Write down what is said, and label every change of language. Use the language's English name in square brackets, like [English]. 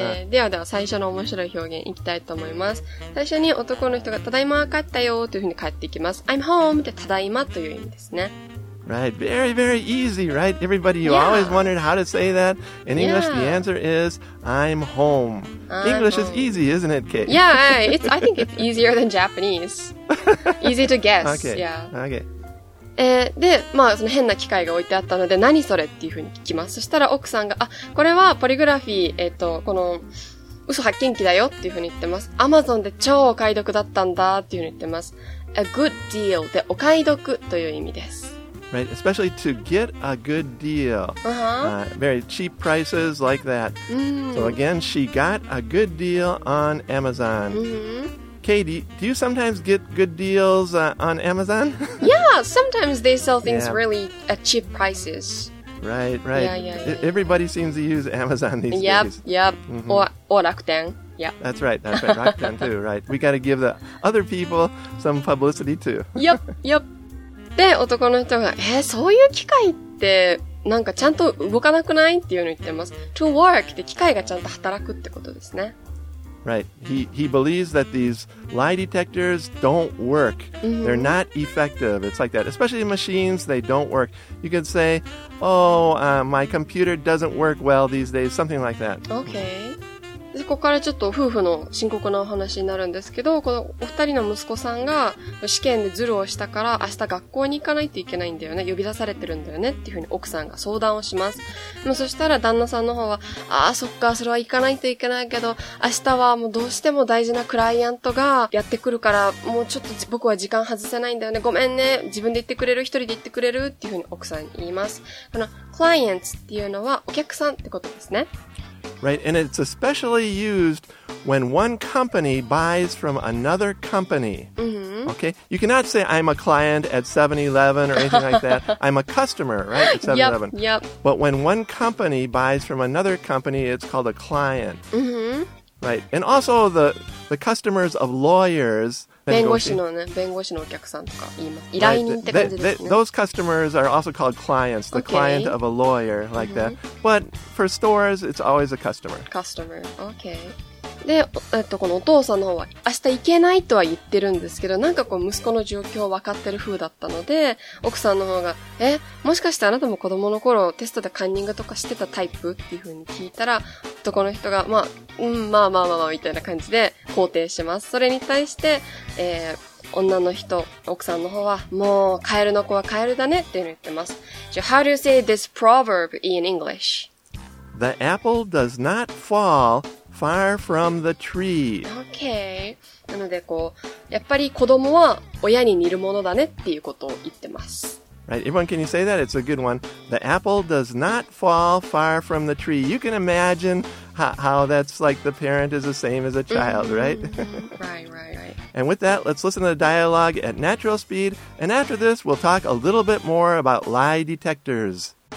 [Japanese] ではでは最初の面白い表現いきたいと思います。最初に男の人がただいま帰ったよというふうに帰っていきます。 [English] I'm home [Japanese] ってただいまという意味ですね。 [English] Right, very, very easy, right? Everybody, you always wondered how to say that. In English, the answer is, I'm home. English is easy, isn't it, Kate? Yeah, I think it's easier than Japanese. Easy to guess. Okay. Yeah. Okay. [Japanese] で、まあ、その変な機械が置いてあったので、何それっていうふうに聞きます。そしたら奥さんが、あ、これはポリグラフィー、この、嘘発見器だよっていうふうに言ってます。アマゾンで超お買い得だったんだっていうふうに言ってます。 [English] A good deal [Japanese] でお買い得という意味です。 [English] Right, especially to get a good deal. Uh-huh. Very cheap prices like that. Mm. So again, she got a good deal on Amazon. Mm-hmm. Katie, do you sometimes get good deals on Amazon? Yeah, sometimes they sell things really at cheap prices. Right, right. Yeah. Everybody seems to use Amazon these days. Yep, yep. Mm-hmm. Or Rakuten. Yep. That's right. Rakuten too, right. We got to give the other people some publicity too. Yep, yep. [Japanese] で、男の人が、そういう機械ってなんかちゃんと動かなくない?っていうのを言ってます。 [English] To work [Japanese] って機械がちゃんと働くってことですね。 [English] Right. He believes that these lie detectors don't work. Mm-hmm. They're not effective. It's like that. Especially machines, they don't work. You could say, oh, my computer doesn't work well these days. Something like that. Okay. で、ここからちょっと夫婦の深刻なお話になるんですけど、このお二人の息子さんが試験でズルをしたから明日学校に行かないといけないんだよね。呼び出されてるんだよね。っていうふうに奥さんが相談をします。でもそしたら旦那さんの方は、ああ、そっか、それは行かないといけないけど、明日はもうどうしても大事なクライアントがやってくるから、もうちょっと僕は時間外せないんだよね。ごめんね。自分で行ってくれる?一人で行ってくれる? っていうふうに奥さんに言います。このクライアントっていうのはお客さんってことですね。 Right, and it's especially used when one company buys from another company. Mm-hmm. Okay, you cannot say I'm a client at 7-Eleven or anything like that. I'm a customer, right, at 7-Eleven. Yep, yep. But when one company buys from another company, it's called a client. Mm-hmm. Right, and also the customers of lawyers. [Japanese] 弁護士のお客さんとか言います。依頼人って感じですね。 [English] Those customers are also called clients. The client of a lawyer, like that. But for stores, it's always a customer. Customer, okay. [Japanese] で、このお父さんの方は、明日行けないとは言ってるんですけど、なんかこう息子の状況を分かってる風だったので、奥さんの方が、もしかしてあなたも子供の頃テストでカンニングとかしてたタイプっていう風に聞いたら、男の人が、まあ、うん、まあまあまあまあみたいな感じで肯定します。それに対して、女の人、奥さんの方は、もう、カエルの子はカエルだねっていうのを言ってます。じゃあ、 [English] How do you say this proverb in English? The apple does not fall far from the tree. Okay. [Japanese] なので、こう、やっぱり子供は親に似るものだねっていうことを言ってます。 [English] Right, everyone, can you say that? It's a good one. The apple does not fall far from the tree. You can imagine how that's like the parent is the same as a child, right? Right. And with that, let's listen to the dialogue at natural speed. And after this, we'll talk a little bit more about lie detectors.